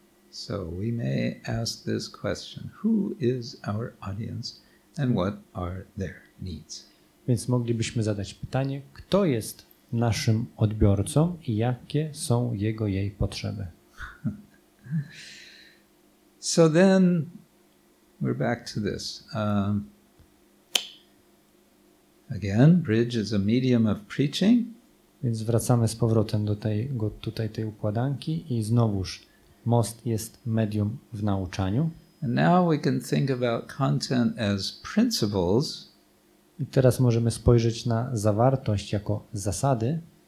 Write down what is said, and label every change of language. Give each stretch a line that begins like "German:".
English: So we may ask this question: who is our audience and what are their needs?
Polish: Więc moglibyśmy zadać pytanie, kto jest naszym odbiorcą i jakie są jego, jej potrzeby.
English: So then we're back to this. Again, bridge is a medium of preaching.
Polish: Więc wracamy z powrotem do tej układanki i znowuż most jest medium w nauczaniu.
English: And now we can think about content as principles.
Polish: I teraz możemy spojrzeć na zawartość jako zasady.